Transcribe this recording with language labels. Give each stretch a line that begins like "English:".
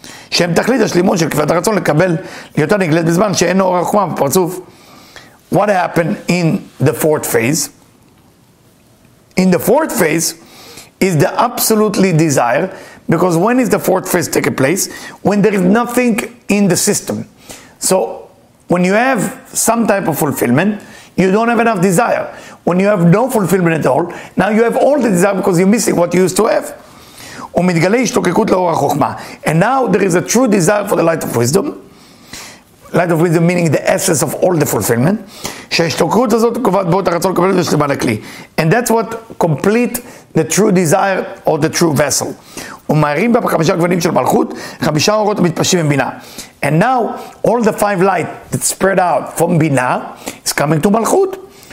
Hebrew: שהם תכלית השלימות של כפיית הרצון לקבל להיותה נגלית בזמן שאין אור החוכמה בפרצוף.
English: What happened in the fourth phase? In the fourth phase is the absolutely desire, because when is the fourth phase taking place? When there is nothing in the system. So when you have some type of fulfillment, you don't have enough desire. When you have no fulfillment at all, now you have all the desire because you're missing what you used to have.
Hebrew: ומתגלה השתוקקות לאור החוכמה.
English: And now there is a true desire for the light of wisdom. Light of wisdom meaning the essence of all the fulfillment.
Hebrew: שההשתוקרות הזאת קובעת בו את הרצון לקבל את השלימה לכלי.
English: And that's what complete the true desire or the true vessel.
Hebrew: ומערים בה בחמישה גוונים של מלכות, חמישה אורות המתפשים מבינה.
English: And now, all the five light that spread out from בינה is coming to מלכות.